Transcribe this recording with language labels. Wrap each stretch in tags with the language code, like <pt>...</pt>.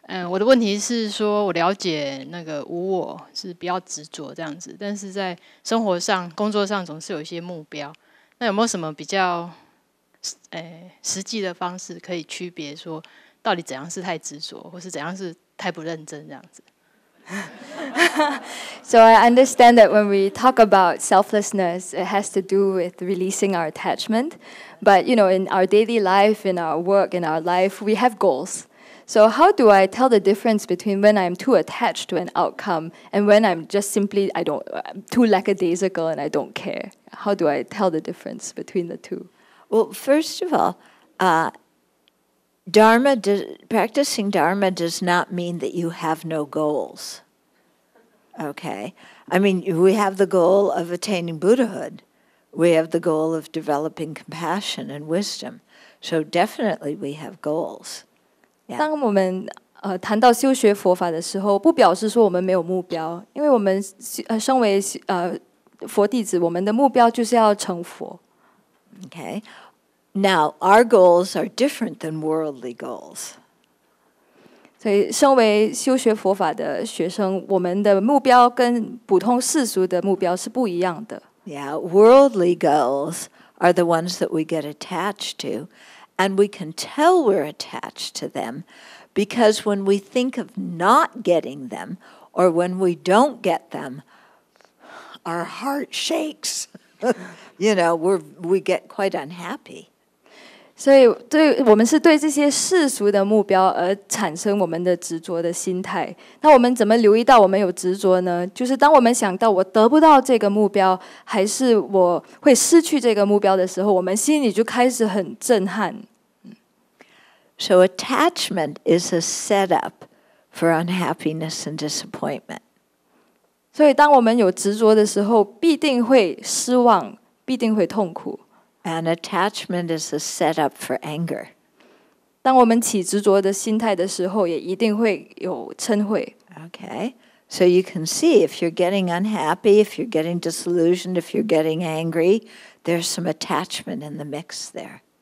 <zh>我的问题是说，我了解那个无我是比较执着这样子，但是在生活上、工作上总是有一些目标。那有没有什么比较，实际的方式可以区别说，到底怎样是太执着，或是怎样是太不认真这样子？</zh> <en>So I understand that when we talk about selflessness, it has to do with releasing our attachment. But you know, in our daily life, in our work, in our life, we have goals. So how do I tell the difference between when I'm too attached to an outcome and when I'm just simply I'm too lackadaisical and I don't care? How do I tell the difference between the two? Well, first of all, practicing Dharma does not mean that you have no goals. Okay? I mean, we have the goal of attaining Buddhahood. We have the goal of developing compassion and wisdom. So definitely we have goals. Yeah.</en> <zh>当我们谈到修学佛法的时候，不表示说我们没有目标，因为我们身为佛弟子，我们的目标就是要成佛。</zh> <en>Okay, now our goals are different than worldly goals.</en> <zh>所以，身为修学佛法的学生，我们的目标跟普通世俗的目标是不一样的。</zh> <en>Yeah, worldly goals are the ones that we get attached to. And we can tell we're attached to them because when we think of not getting them or when we don't get them, our heart shakes. You know, we get quite unhappy.</en> <zh>所以对我们是对这些世俗的目标而产生我们的执着的心态。那我们怎么留意到我们有执着呢？就是当我们想到我得不到这个目标，还是我会失去这个目标的时候，我们心里就开始很震撼。</zh> <en>So attachment is a setup for unhappiness and disappointment.</en> <zh>所以当我们有执着的时候，必定会失望，必定会痛苦。</zh> <en>And attachment is a setup for anger.</en> <zh>当我们起执着的心态的时候，也一定会有嗔恚。</zh> <en>Okay, so you can see if you're getting unhappy, if you're getting disillusioned, if you're getting angry, there's some attachment in the mix there.</en>